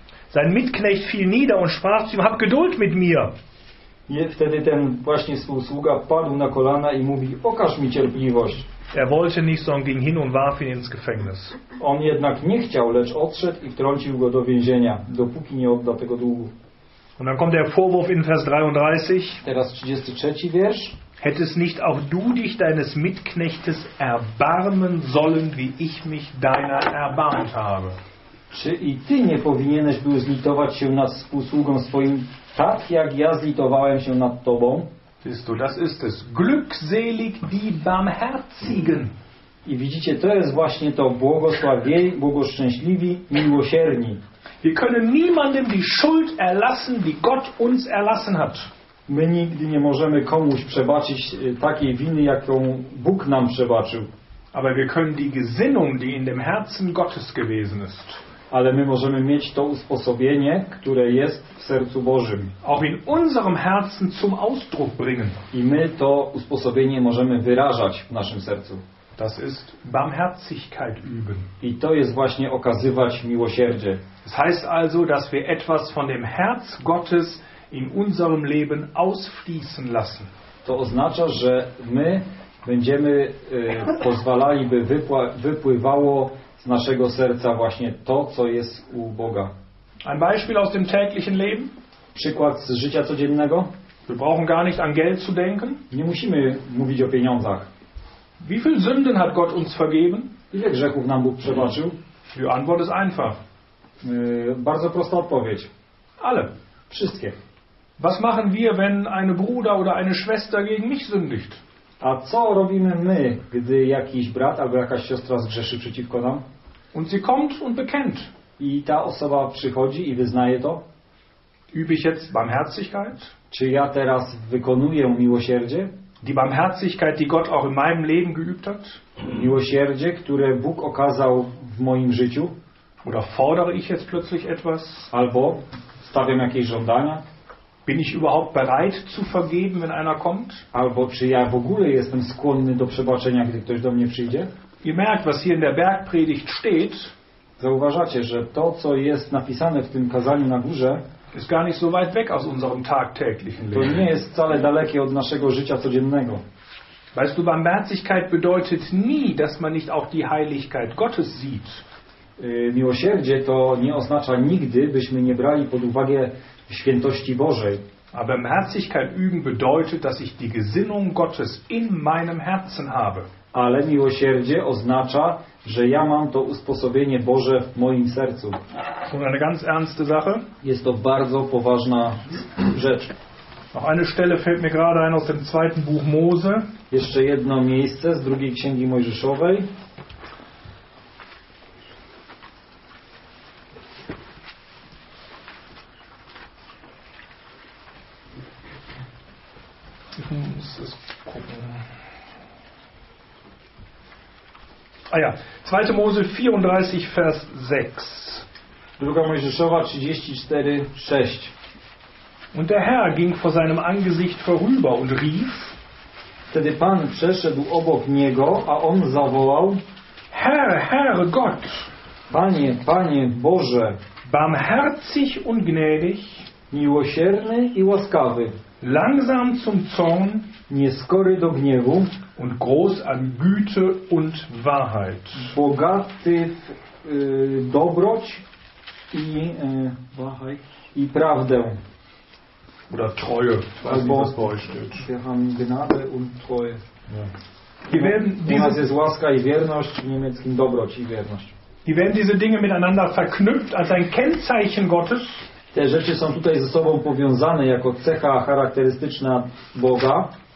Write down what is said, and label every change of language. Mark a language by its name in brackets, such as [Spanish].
[German] Sein Mitknecht fiel nieder und sprach zu ihm, hab Geduld mit mir. [Polish] I wtedy ten właśnie sługa padł na kolana i mówi, okaż mi cierpliwość. [German] Er wollte nicht, sondern ging hin und warf ihn ins Gefängnis. [Polish] On jednak nie chciał, lecz odszedł i wtrącił go do więzienia, dopóki nie odda tego długu. [German] Und dann kommt der Vorwurf in Vers 33. [Polish] Teraz 33 wiersz. [German] Hättest nicht auch du dich deines Mitknechtes erbarmen sollen, wie ich mich deiner erbarmt habe? [Polish] Czy i ty nie powinieneś był zlitować się nad współsługą swoim, tak jak ja zlitowałem się nad tobą? [German] Siehst du, das ist es. Glückselig die Barmherzigen. [Polish] I widzicie, to jest właśnie to, błogosławieni, błogoszczęśliwi, miłosierni. [German] Wir können niemandem die Schuld erlassen, die Gott uns erlassen hat. [Polish] My nigdy nie możemy komuś przebaczyć takiej winy, jaką Bóg nam przebaczył. [German] Aber wir können die Gesinnung, die in dem Herzen Gottes gewesen ist. [Polish] Ale my możemy mieć to usposobienie, które jest w sercu Bożym. [German] Auch in unserem Herzen zum Ausdruck bringen. [Polish] I my to usposobienie możemy wyrażać w naszym sercu. [German] Das ist Barmherzigkeit üben. [Polish] I to jest właśnie okazywać miłosierdzie. [German] Das heißt also, dass wir etwas von dem Herz Gottes in unserem Leben ausfließen lassen. [Polish] To oznacza, że my będziemy pozwalali, by wypływało z naszego serca właśnie to, co jest u Boga. [German] Ein Beispiel aus dem täglichen Leben. [Polish] Przykład z życia codziennego. [German] Wir brauchen gar nicht an Geld zu denken. [Polish] Nie musimy mówić o pieniądzach. [German] Wie viele Sünden hat Gott uns vergeben? [Polish] Ile grzechów nam Bóg przebaczył? [German] Die Antwort ist einfach. [Polish] Bardzo prosta odpowiedź. [German] Alle. [Polish] Wszystkie. [German] Was machen wir, wenn eine Bruder oder eine Schwester gegen mich sündigt? [Polish] A co robimy my, gdy jakiś brat albo jakaś siostra zgrzeszy przeciwko nam? [German] Und sie kommt und bekennt. [Polish] I ta osoba przychodzi i wyznaje to? [German] Übe ich jetzt Barmherzigkeit? [Polish] Czy ja teraz wykonuję miłosierdzie? [German] Die Barmherzigkeit, die Gott auch in meinem Leben geübt hat? [Polish] Miłosierdzie, które Bóg okazał w moim życiu? [German] Oder fordere ich jetzt plötzlich etwas? [Polish] Albo stawiam jakieś żądania? [German] Bin ich überhaupt bereit zu vergeben, wenn einer kommt? [Polish] Albo czy ja w ogóle jestem skłonny do przebaczenia, gdy ktoś do mnie przyjdzie? [German] Ihr merkt, was hier in der Bergpredigt steht. [Polish] Zauważacie, że to, co jest napisane w tym kazaniu na górze, [German] ist gar nicht so weit weg aus unserem tagtäglichen Leben. [Polish] To nie jest wcale dalekie od naszego życia codziennego. [German] Weißt du, Barmherzigkeit bedeutet nie, dass man nicht auch die Heiligkeit Gottes sieht. [Polish] Miłosierdzie to nie oznacza nigdy, byśmy nie brali pod uwagę świętości Bożej. [German] Aber Barmherzigkeit üben bedeutet, dass ich die Gesinnung Gottes in meinem Herzen habe. [Polish] Ale miłosierdzie oznacza, że ja mam to usposobienie Boże w moim sercu. [German] Und eine ganz ernste Sache. [Polish] Jest to bardzo poważna rzecz. [German] Noch eine Stelle fällt mir gerade ein aus dem zweiten Buch Mose. [Polish] Jeszcze jedno miejsce z drugiej księgi Mojżeszowej. [German] A ja, 2. Mose 34, Vers 6. [Polish] 2. Mojżeszowa 34, 6. [German] Und der Herr ging vor seinem Angesicht vorüber und rief. [Polish] Wtedy Pan przeszedł obok niego, a on zawołał. [German] Herr, Herr, Gott. [Polish] Panie, Panie, Boże. [German] Barmherzig und gnädig. [Polish] Miłosierny i łaskawy. [German] Langsam zum Zorn. [Polish] Nieskory do gniewu. [German] Und groß an Güte und Wahrheit. [Polish] Bogaty w dobroć i [German] Wahrheit [Polish] i prawdę. [German] Oder Treue. Was wir haben Gnade und Treue. Ja. [Polish] U nas jest łaska i wierność, w niemieckim dobroć i wierność. [German] Die werden diese Dinge miteinander verknüpft als ein Kennzeichen Gottes. [Polish] Te rzeczy są tutaj ze sobą powiązane jako cecha charakterystyczna Boga.